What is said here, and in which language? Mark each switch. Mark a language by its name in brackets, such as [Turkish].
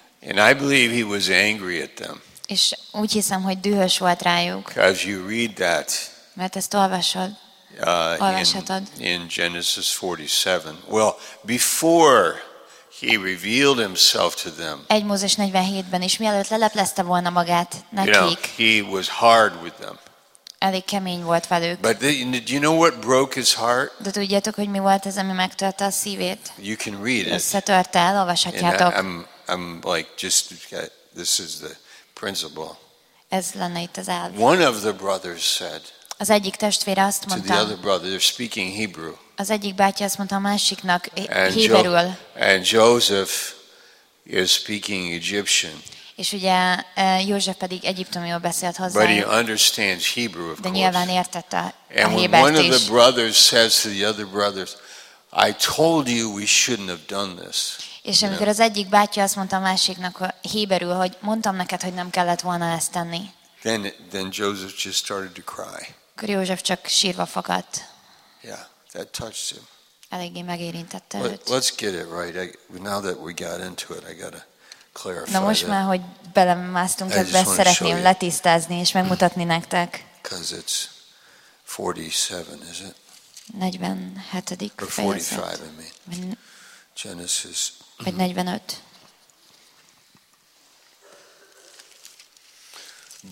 [English] And I believe he was angry at them. [Hungarian] És úgy hiszem, hogy dühös volt rájuk. [English] Because you read that. [Hungarian] Mert ezt olvasod. Olvashatod. [English] In Genesis 47. Well, before he revealed himself to them. [Hungarian] Egy Mózes 47-ben is mielőtt leleplezte volna magát nekik. [English] You know, he was hard with them. [Hungarian] Elég kemény volt velük. [English] But do you know what broke his heart? [Hungarian] De tudjátok, hogy mi volt ez, ami megtörte a szívét? [English] You can read it. [Hungarian] Összetört el, olvashatjátok. [English] I'm like just this is the principle. [Hungarian] Ez lenne itt az elv. [English] One of the brothers said. [Hungarian] Az egyik testvér azt mondta. [English] To the other brother, they're speaking Hebrew. [Hungarian] Az egyik bátyja azt mondta a másiknak héberül. [English] And Joseph is speaking Egyptian. [Hungarian] És ugye József pedig egyiptomiul beszélt hozzá. [English] But he understands Hebrew, of course. [Hungarian] De nyilván értette a hébert is. [English] And when one of the brothers says to the other brothers, I told you we shouldn't have done this. [Hungarian] És amikor az egyik bátyja azt mondta a másiknak héberül, hogy mondtam neked, hogy nem kellett volna ezt tenni. [English] Then Joseph just started to cry. [Hungarian] Akkor József csak sírva fakadt. [English] Yeah, that touched him. [Hungarian] Eléggé megérintette őt. [English] Let's get it right. Now that we got into it, I gotta. [Hungarian] Na most már, hogy belemásztunk ebbe, szeretném letisztázni és megmutatni nektek. [English] Because it's 47, is it? [Hungarian] 47. [English] Or 45, I mean. Genesis. [Hungarian] Vagy 45.